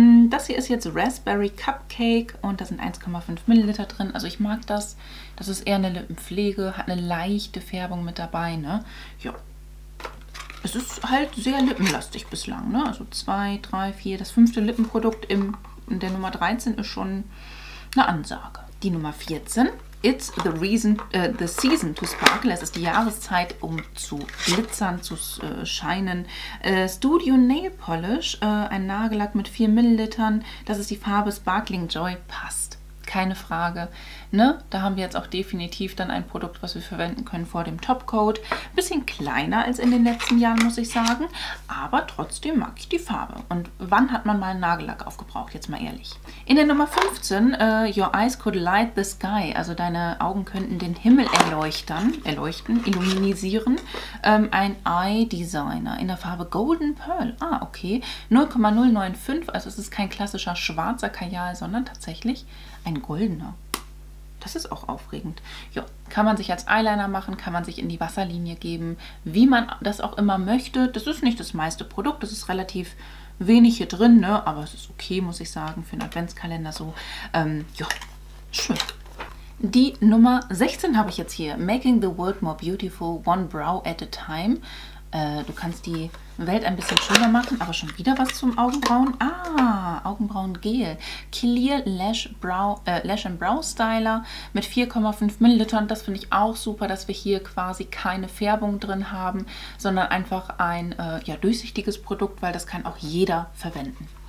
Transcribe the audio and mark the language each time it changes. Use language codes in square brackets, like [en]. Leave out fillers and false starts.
[de] Das hier ist jetzt Raspberry Cupcake und da sind 1,5 Milliliter drin. Also ich mag das. Das ist eher eine Lippenpflege, hat eine leichte Färbung mit dabei. Ne? Ja. Es ist halt sehr lippenlastig bislang. Ne? Also 2, 3, 4, das fünfte Lippenprodukt in der Nummer 13 ist schon eine Ansage. Die Nummer 14. [en] It's the reason, the season to sparkle. [de] Es ist die Jahreszeit, um zu glitzern, zu scheinen. Studio Nail Polish, ein Nagellack mit 4 Millilitern. Das ist die Farbe Sparkling Joy. Passt. Keine Frage. Ne? Da haben wir jetzt auch definitiv dann ein Produkt, was wir verwenden können vor dem Topcoat. Bisschen kleiner als in den letzten Jahren, muss ich sagen. Aber trotzdem mag ich die Farbe. Und wann hat man mal einen Nagellack aufgebraucht? Jetzt mal ehrlich. In der Nummer 15, [en] Your Eyes Could Light the Sky. [de] Also deine Augen könnten den Himmel illuminisieren. Ein Eye Designer in der Farbe Golden Pearl. Ah, okay. 0,095. Also es ist kein klassischer schwarzer Kajal, sondern tatsächlich ein goldener. Das ist auch aufregend. Ja, kann man sich als Eyeliner machen, kann man sich in die Wasserlinie geben, wie man das auch immer möchte. Das ist nicht das meiste Produkt, das ist relativ wenig hier drin, ne? Aber es ist okay, muss ich sagen, für einen Adventskalender so. Ja, schön. Die Nummer 16 habe ich jetzt hier. [en] Making the world more beautiful, one brow at a time. [de] Du kannst die Welt ein bisschen schöner machen, aber schon wieder was zum Augenbrauen. Ah, Augenbrauen-Gel. Clear Lash, Brow, Lash and Brow Styler mit 4,5 Millilitern. Das finde ich auch super, dass wir hier quasi keine Färbung drin haben, sondern einfach ein durchsichtiges Produkt, weil das kann auch jeder verwenden.